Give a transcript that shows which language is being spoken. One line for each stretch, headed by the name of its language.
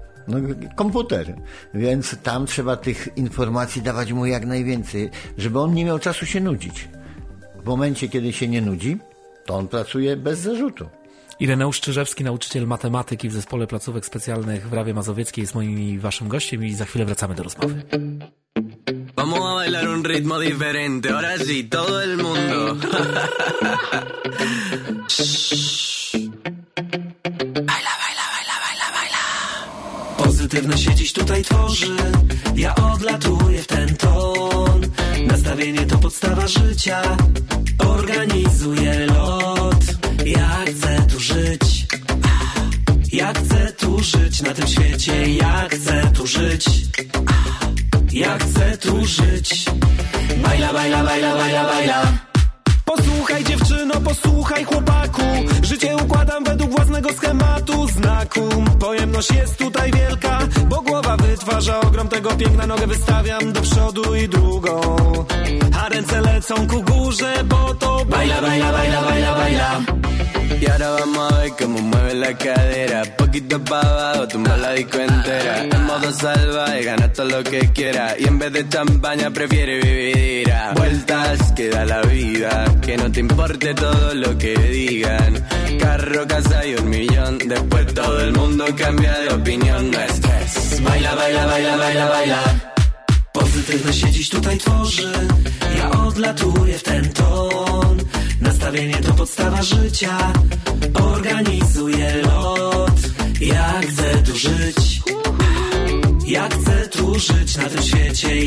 Polish: No, komputer, więc tam trzeba tych informacji dawać mu jak najwięcej, żeby on nie miał czasu się nudzić. W momencie, kiedy się nie nudzi, to on pracuje bez zarzutu. Ireneusz Czyżewski, nauczyciel matematyki w Zespole Placówek Specjalnych w Rawie Mazowieckiej, jest moim i waszym gościem i za chwilę wracamy do rozmowy.
Spanish: Vamos a bailar un ritmo diferente, ahora sí, todo el mundo. Baila, baila, baila, baila, baila.
Polish: Pozytywne się dziś tutaj tworzy, ja odlatuję w ten ton. Nastawienie to podstawa życia, organizuję lot. Ja chcę tu żyć, ja chcę tu żyć na tym świecie, ja chcę tu żyć. Ja chcę tu żyć.
Spanish: Bajla, bajla, bajla, bajla, bajla.
Polish: Posłuchaj dziewczyno, posłuchaj chłopaku. Życie układam według własnego schematu, znaku. Pojemność jest tutaj wielka, bo głowa wytwarza ogrom tego piękna. Nogę wystawiam do przodu i drugą, a ręce lecą ku górze, bo to
Spanish: bajla, bajla, bajla, bajla, bajla. Y ahora vamos a ver cómo mueve la cadera. Poquito pa' abajo, tumba la disco entera. En modo salva y gana todo lo que quiera. Y en vez de champaña prefiere vivir. Vueltas que da la vida, que no te importe todo lo que digan. Carro, casa y un millón, después todo el mundo cambia de opinión. No estrés. Baila, baila, baila, baila, baila.
Polish: Pozytywne się dziś tutaj tworzy, ja odlatuję w ten ton. Nastawienie to podstawa życia, organizuję lot. Ja chcę tu żyć, ja chcę tu żyć na tym świecie.